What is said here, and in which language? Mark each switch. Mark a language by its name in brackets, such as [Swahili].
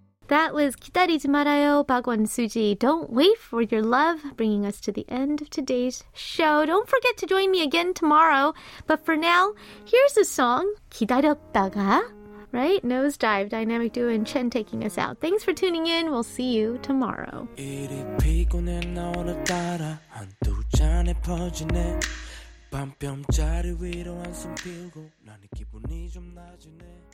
[English] That was [Korean] 기다리지 말아요, 박원 수지. [English] Don't wait for your love, bringing us to the end of today's show. Don't forget to join me again tomorrow. But for now, here's a song, 기다렸다가, right? Nosedive, dynamic duo, and Chen taking us out. Thanks for tuning in. We'll see you tomorrow. [Korean] 이리 피곤해 너를 따라 한두 잔에 퍼지네 밤병자리 위로 한숨 피우고 나는 기분이 좀 나지네